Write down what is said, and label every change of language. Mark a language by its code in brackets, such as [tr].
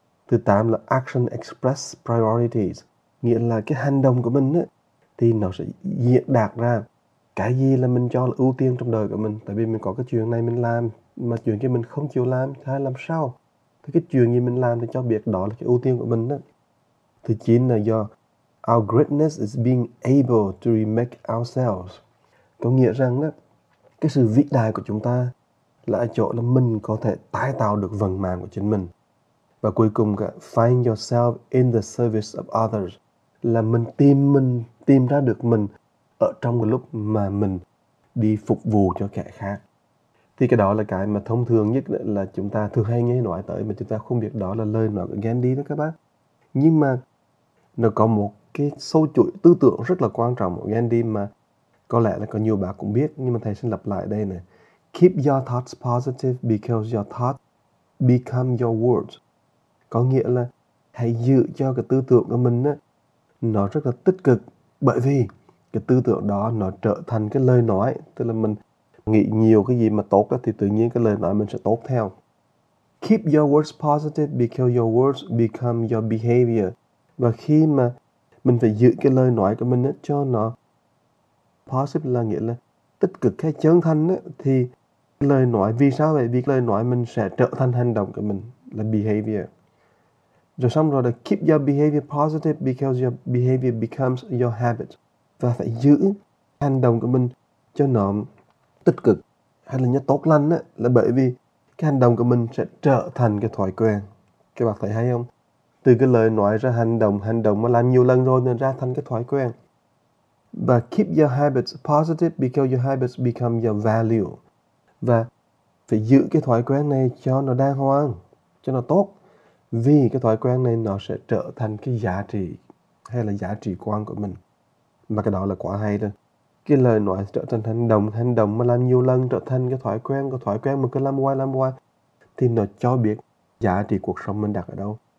[vi] Thứ 8 là [en] action express priorities. [vi] Nghĩa là cái hành động của mình ấy, thì nó sẽ diễn đạt ra cái gì là mình cho là ưu tiên trong đời của mình. Tại vì mình có cái chuyện này mình làm, mà chuyện kia mình không chịu làm, hay làm sao? Thì cái chuyện gì mình làm thì cho biết đó là cái ưu tiên của mình ấy. Thứ 9 là [en] do our greatness is being able to remake ourselves. [vi] Có nghĩa rằng đó, cái sự vĩ đại của chúng ta là ở chỗ là mình có thể tái tạo được vận mạng của chính mình. Và cuối cùng cả, [en] find yourself in the service of others. [vi] Là mình tìm ra được mình ở trong cái lúc mà mình đi phục vụ cho kẻ khác. Thì cái đó là cái mà thông thường nhất là chúng ta thường hay nghe nói tới, mà chúng ta không biết đó là lời nói của Gandhi đó các bác. Nhưng mà nó có một cái sâu chuỗi tư tưởng rất là quan trọng của Gandhi mà có lẽ là có nhiều bạn cũng biết, nhưng mà thầy xin lặp lại đây nè. [en] Keep your thoughts positive because your thoughts become your words. [vi] Có nghĩa là hãy giữ cho cái tư tưởng của mình á, nó rất là tích cực, bởi vì cái tư tưởng đó nó trở thành cái lời nói. Tức là mình nghĩ nhiều cái gì mà tốt đó, thì tự nhiên cái lời nói mình sẽ tốt theo. [en] Keep your words positive because your words become your behavior. [vi] Và khi mà mình phải giữ cái lời nói của mình ấy, cho nó positive là nghĩa là tích cực hay chân thành ấy, thì lời nói, vì sao vậy? Vì lời nói mình sẽ trở thành hành động của mình, là behavior. Rồi xong rồi là [en] keep your behavior positive because your behavior becomes your habit. [vi] Và phải giữ hành động của mình cho nó tích cực hay là nhất tốt lành ấy, là bởi vì cái hành động của mình sẽ trở thành cái thói quen. Các bạn thấy hay không? Từ cái lời nói ra hành động mà làm nhiều lần rồi nên ra thành cái thói quen. [en] Và keep your habits positive because your habits become your value. [vi] Và phải giữ cái thói quen này cho nó đàng hoàng, cho nó tốt. Vì cái thói quen này nó sẽ trở thành cái giá trị hay là giá trị quan của mình. Mà cái đó là quá hay đó. Cái lời nói trở thành hành động mà làm nhiều lần trở thành cái thói quen mà cứ làm hoài, thì nó cho biết giá trị cuộc sống mình đặt ở đâu.